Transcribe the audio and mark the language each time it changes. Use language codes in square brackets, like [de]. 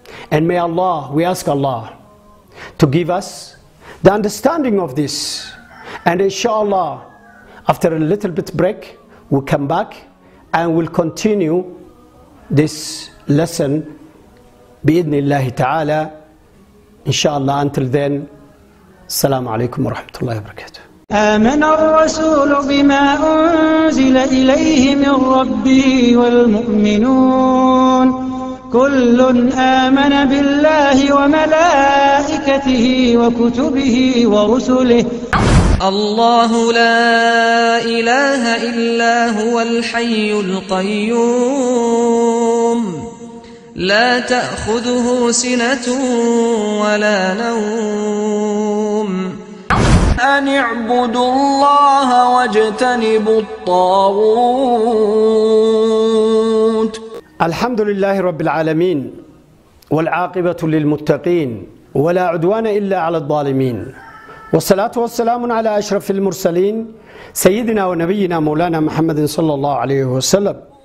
[en] And may Allah, we ask Allah to give us the understanding of this. And inshallah, after a little bit break, we'll come back and we'll continue this lesson bi'idhnillahi ta'ala. Inshallah, until then, assalamu alaikum wa rahmatullahi wa barakatuh. [ar] آمن الرسول بما أنزل إليه من ربه والمؤمنون كل آمن بالله وملائكته وكتبه ورسله الله لا إله إلا هو الحي القيوم لا تأخذه سنة ولا نوم أن اعبدوا الله واجتنبوا الطاغوت الحمد لله رب العالمين والعاقبة للمتقين ولا عدوان إلا على الظالمين والصلاة والسلام على أشرف المرسلين سيدنا ونبينا مولانا محمد صلى الله عليه وسلم